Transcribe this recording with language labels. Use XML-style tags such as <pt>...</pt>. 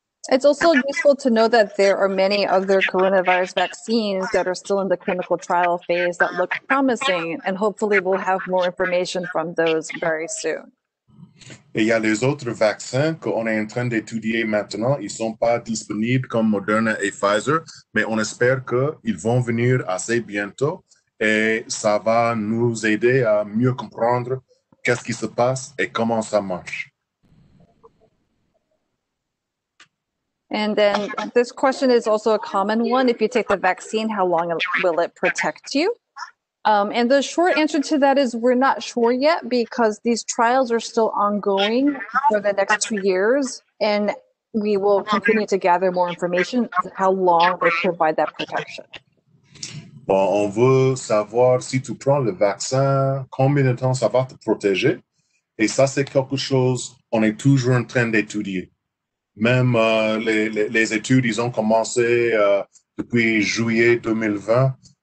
<en>It's also useful to know that there are many other coronavirus vaccines that are still in the clinical trial phase that look promising, and hopefully we'll have more information from those very soon.</en> <fr>Et il y a les autres vaccins qu'on est en train d'étudier maintenant. Ils sont pas disponibles comme Moderna et Pfizer, mais on espère qu'ils vont venir assez bientôt, et ça va nous aider à mieux comprendre qu'est-ce qui se passe et comment ça marche.</fr> <en>And then this question is also a common one. If you take the vaccine, how long will it protect you? And the short answer to that is we're not sure yet because these trials are still ongoing for the next 2 years. And we will continue to gather more information on how long they provide that protection.</en> <fr>Bon, on veut savoir si tu prends le vaccin, combien de temps ça va te protéger. Et ça, c'est quelque chose qu'on est toujours en train d'étudier. Même les études, ils ont commencé depuis juillet 2020.</fr>